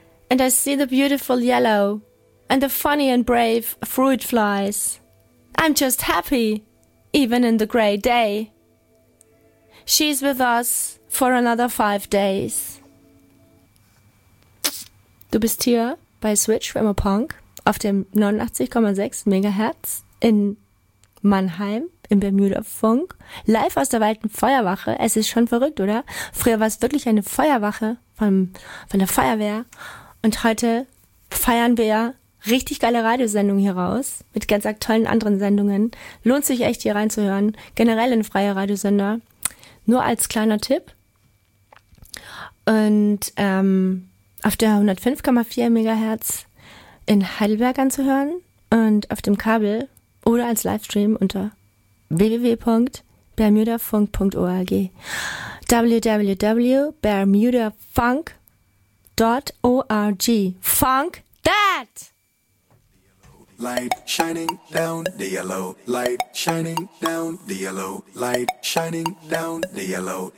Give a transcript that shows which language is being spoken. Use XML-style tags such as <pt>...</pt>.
<en>And I see the beautiful yellow and the funny and brave fruit flies. I'm just happy, even in the grey day. She's with us for another 5 days.</en> <de>Du bist hier bei Switch Rammer Punk auf dem 89,6 MHz in Mannheim. Im Bermuda-Funk, live aus der Walten Feuerwache. Es ist schon verrückt, oder? Früher war es wirklich eine Feuerwache von der Feuerwehr. Und heute feiern wir richtig geile Radiosendungen hier raus, mit ganz aktuellen anderen Sendungen. Lohnt sich echt, hier reinzuhören. Generell in freie Radiosender. Nur als kleiner Tipp. Und auf der 105,4 MHz in Heidelberg anzuhören und auf dem Kabel oder als Livestream unter www.bermudafunk.org www.bermudafunk.org.</de> <en>Funk that! Light shining down the yellow. Light shining down the yellow. Light shining down the yellow.</en>